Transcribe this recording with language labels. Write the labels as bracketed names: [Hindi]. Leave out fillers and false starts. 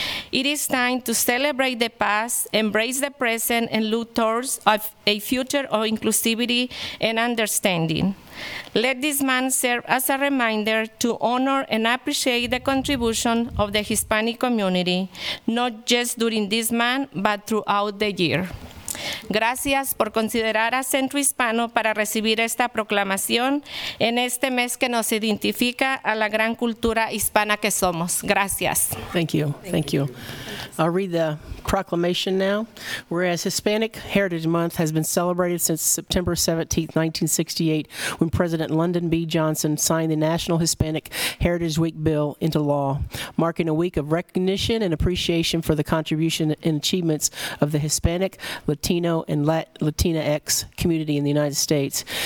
[English] It is time to celebrate the past, embrace the present, and look towards a future of inclusivity and understanding. Let this month serve as a reminder to honor and appreciate the contribution of the Hispanic community, not just during this month, but throughout the year. [Spanish] Gracias por considerar a Centro Hispano para recibir esta proclamación en este mes que nos identifica a la gran cultura hispana que somos. Gracias. [English] Thank you. I'll read the proclamation now. Whereas Hispanic Heritage Month has been celebrated since September 17, 1968, when President Lyndon B. Johnson signed the National Hispanic Heritage Week Bill into law, marking a week of recognition and appreciation for the contribution and achievements of the Hispanic, Latino, and Latinx community in the United States.